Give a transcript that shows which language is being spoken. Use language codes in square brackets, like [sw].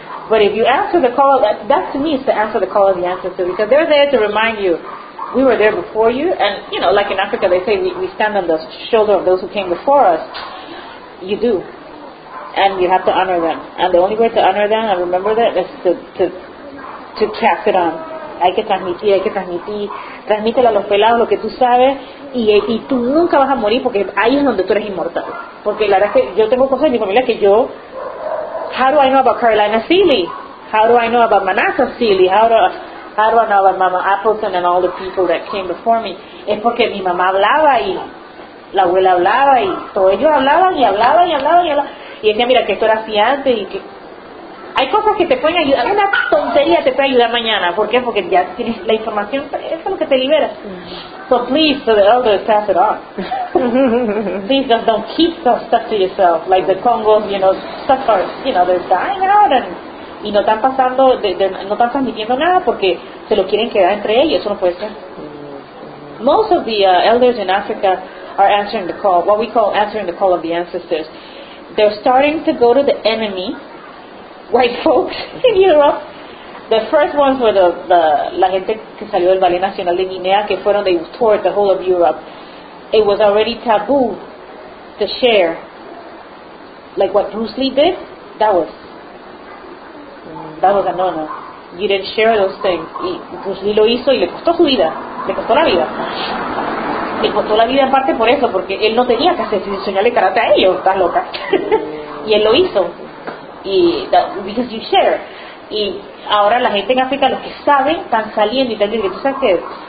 [en] But if you answer the call, that to me is to answer the call of the ancestors, because they're there to remind you, we were there before you, and, you know, like in Africa, they say we stand on the shoulder of those who came before us. You do. And you have to honor them. And the only way to honor them and remember them is to pass it on. [es] hay que transmitir, hay que transmitir, transmítelo a los pelados lo que tú sabes, y tú nunca vas a morir, porque ahí es donde tú eres inmortal. Porque la verdad es que yo tengo cosas en mi familia que yo, [en] how do I know about Carolina Seely? How do I know about Manasa Seely? How do I know about Mama Appleton and all the people that came before me? [es] Es porque mi mamá hablaba y la abuela hablaba y todos ellos hablaban y hablaban y hablaban y hablaban. Y decía, mira, que esto era así antes y que... Hay cosas que te pueden ayudar. Una tontería te puede ayudar mañana. ¿Por qué? Porque ya tienes la información. Eso es lo que te libera. [en] So please, so the elders pass it on. Please just don't keep those stuff to yourself. Like the Congo, you know, stuff are, you know, they're dying out and... [es] Y no están pasando, no están transmitiendo nada porque se lo quieren quedar entre ellos. Eso no puede ser. [en] Most of the elders in Africa are answering the call, what we call answering the call of the ancestors. They're starting to go to the enemy, white folks in Europe. The first ones were the [es] la gente que salió del Ballet Nacional de Guinea, que fueron, [en] they toured the whole of Europe. It was already taboo to share. Like what Bruce Lee did, that was a no-no. You didn't share those things. [es] Y Bruce Lee lo hizo y le costó su vida, le costó la vida. Le costó la vida en parte por eso, porque él no tenía que hacer enseñarle karate a ellos, estás loca. Y él lo hizo. Y [en] because you share. [es] Y ahora la gente en África, los que saben, están saliendo y están diciendo, ¿tú sabes qué?